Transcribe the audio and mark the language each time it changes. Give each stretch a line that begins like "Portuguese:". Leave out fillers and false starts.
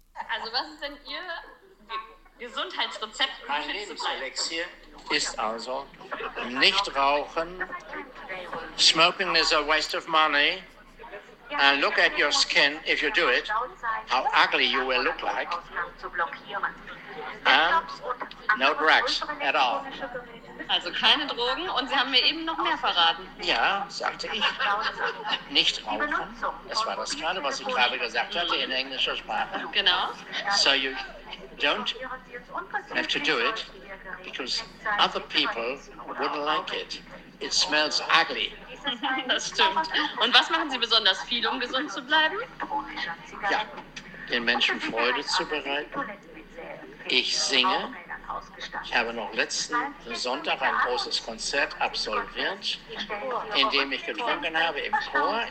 German: Also was ist denn Ihr Gesundheitsrezept? Mein Lebenselixier ist also nicht rauchen.
English: Smoking is a waste of money. And look at your skin if you do it, how ugly you will look like. And no drugs at all.
German: Also keine Drogen und Sie haben mir eben noch mehr verraten. Ja, sagte ich. Nicht rauchen. Das war das gerade, was ich gerade gesagt hatte in englischer Sprache. Genau.
English: So you don't have to do it. Because other people wouldn't like it. It smells ugly.
German: Das stimmt. Und was machen Sie besonders viel, um gesund zu bleiben? Ja, den Menschen Freude zu bereiten. Ich singe Ich habe noch letzten Sonntag ein großes Konzert absolviert, in dem ich getrunken habe im Chor.